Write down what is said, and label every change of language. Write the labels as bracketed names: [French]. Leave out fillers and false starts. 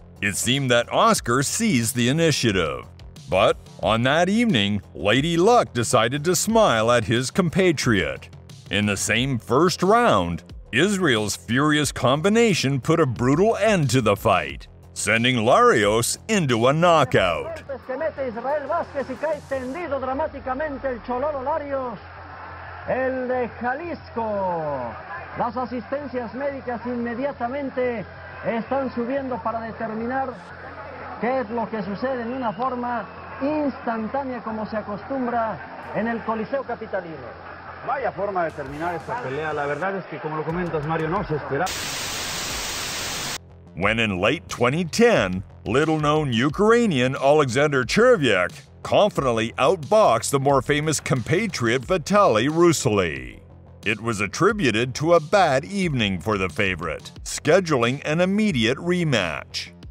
[English] It seemed that Oscar seized the initiative. But on that evening, Lady Luck decided to smile at his compatriot. In the same first round, Israel's furious combination put a brutal end to the fight, sending Larios into a knockout. [Spanish] Israel Vázquez y cae tendido dramáticamente el Chololo Larios, el de Jalisco. Las asistencias médicas inmediatamente están subiendo para determinar qué es lo que sucede en una forma instantánea como se acostumbra en el Coliseo Capitalino. Vaya forma de terminar esta pelea. La verdad es que, como lo comentas, Mario, no se esperaba. [English] When in late 2010, little-known Ukrainian Alexander Chervyak confidently outboxed the more famous compatriot Vitaly Rusely. It was attributed to a bad evening for the favorite, scheduling an immediate rematch.